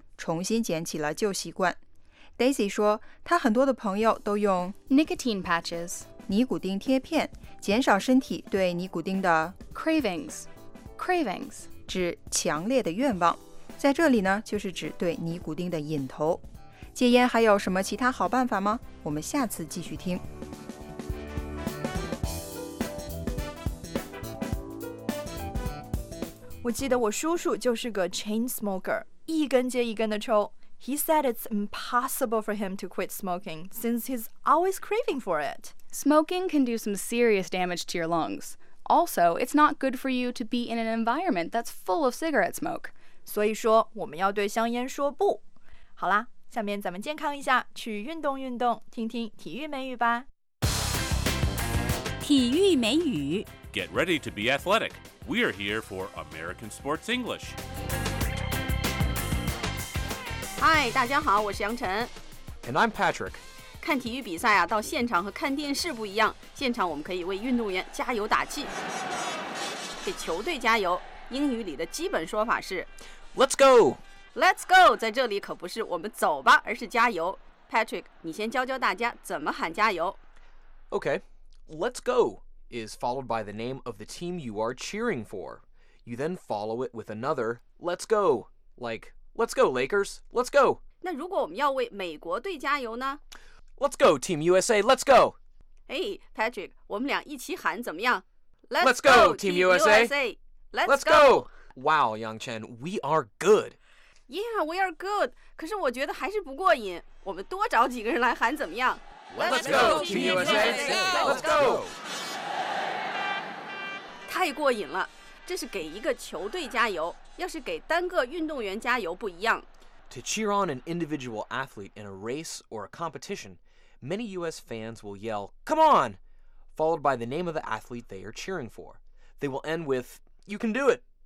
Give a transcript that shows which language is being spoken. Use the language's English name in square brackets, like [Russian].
[Chinese] 重新捡起了旧习惯。 Daisy 说他很多的朋友都用 [English] nicotine patches, [Chinese] 尼古丁贴片减少身体对尼古丁的 [English] cravings, [Chinese] 指强烈的愿望。在这里呢，就是指对尼古丁的瘾头。戒烟还有什么其他好办法吗？我们下次继续听。我记得我叔叔就是个 chain smoker， 一根接一根的抽。 [English] He said it's impossible for him to quit smoking since he's always craving for it. Smoking can do some serious damage to your lungs. Also, it's not good for you to be in an environment that's full of cigarette smoke. [Chinese] 所以说我们要对香烟说不。好啦，下面咱们健康一下，去运动运动，听听体育美语吧。体育美语。 [English] Get ready to be athletic. We are here for American Sports English. [Chinese] Hi, 大家好，我是杨晨。 [English] And I'm Patrick. [Chinese] 看体育比赛啊，到现场和看电视不一样，现场我们可以为运动员加油打气，给球队加油。英语里的基本说法是 [English] Let's go! Let's go! [Chinese] 在这里可不是我们走吧，而是加油。Patrick, 你先教教大家怎么喊加油。 [English] Okay, let's go is followed by the name of the team you are cheering for. You then follow it with another let's go, like, let's go Lakers, let's go! [Chinese] 那如果我们要为美国队加油呢？ [English] Let's go Team USA, let's go! [Chinese] Hey, Patrick, 我们俩一起喊怎么样？ [English] Let's go Team USA! Let's go! Wow, Yangchen, we are good. Yeah, we are good. [Chinese] 可是我觉得还是不过瘾。我们多找几个人来喊怎么样？ [English] Let's go, Team USA! Let's go! [Chinese] 太过瘾了。这是给一个球队加油。要是给单个运动员加油不一样。 [English] To cheer on an individual athlete in a race or a competition, many US fans will yell, come on! Followed by the name of the athlete they are cheering for. They will end withYou can do it.